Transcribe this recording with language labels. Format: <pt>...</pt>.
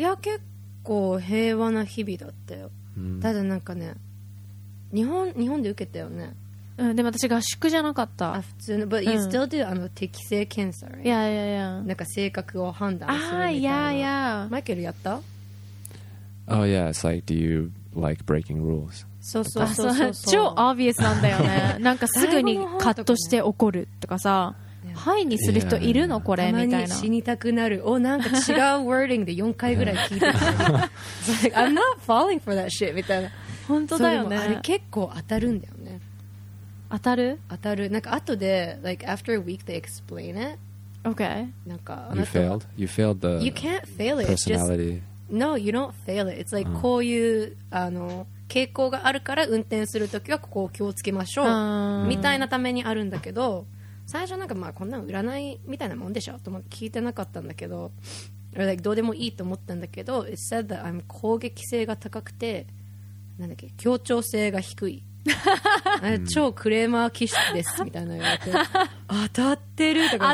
<ja>いや、結構平和な日々だったよ。ただなんかね、日本で受けたよね。うん、でも私合宿じゃなかった。あ、普通の、</ja> <en>but you still do</en> <ja>あの適性検査、</ja> <en>right? Yeah, yeah, yeah.</en> <ja>なんか性格を判断するみたいな。ああ、yeah, yeah. マイケルやった</ja> <en>？Oh yeah, it's like, do you like breaking rules?</en> <ja>そうそうそうそう。超obvious なんだよね。なんかすぐにカットして怒るとかさ。ハイにする人いるの、yeah. これみたいな。たまに死にたくなる。お、なんか違う wording で4回ぐらい聞いてる。Yeah.</ja> <en>like, I'm not falling for that shit みたいな。</en> <ja>本当だよね。あれ結構当たるんだよね。当たる？当たる。なんか後で</ja> <en>like after a week they explain it. Okay.</en> <ja>なんか</ja> <en>you failed. You failed the. You can't fail it. Personality. Just, no, you don't fail it. It's like</en> <ja>こういうあの傾向があるから運転するときはここを気をつけましょうみたいなためにあるんだけど、最初なんかまあこんなの占いみたいなもんでしょと思って聞いてなかったんだけど、どうでもいいと思ったんだけど、</ja> <en>It said that I'm</en> <ja>攻撃性が高くて、なんだっけ、協調性が低い超クレーマー気質ですみたいな言われて当たってるとか</ja>